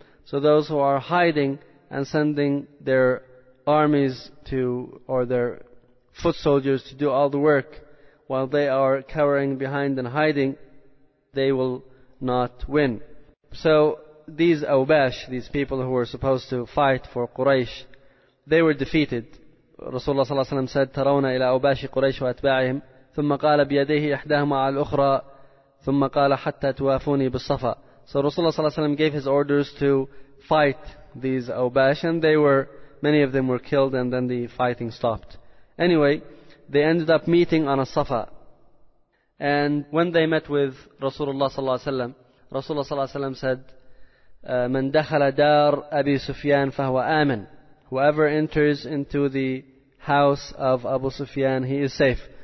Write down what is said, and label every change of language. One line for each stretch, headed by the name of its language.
English: So those who are hiding and sending their armies to, or their foot soldiers to do all the work, while they are cowering behind and hiding, they will not win. So these Awbash, these people who were supposed to fight for Quraysh, they were defeated.
Arabic: Rasulullah صلى الله عليه وسلم said, تَرَوْنَا إِلَىٰ أَوْبَاشِ قُرَيْشِ وَأَتْبَاعِهِمْ ثُمَّ قَالَ بِيَدَيْهِ إِحْدَاهُمَا عَلَى الْأُخْرَىٰ ثُمَّ قَالَ حَتَّى تُوَافُونِي بِالصَّفَىٰ.
English: So Rasulullah صلى الله عليه وسلم gave his orders to fight these Awbash, and they were, many of them were killed, and then the fighting stopped. Anyway, they ended up meeting on a Safa. And when they met with Rasulullah صلى الله عليه وسلم, Rasulullah صلى الله عليه وسلم said,
Arabic: مَنْ دَخَلَ دَارْ أَبِي سُفْيَانْ فَهُوَ آمِنْ,
English: whoever enters into the house of Abu Sufyan, he is safe.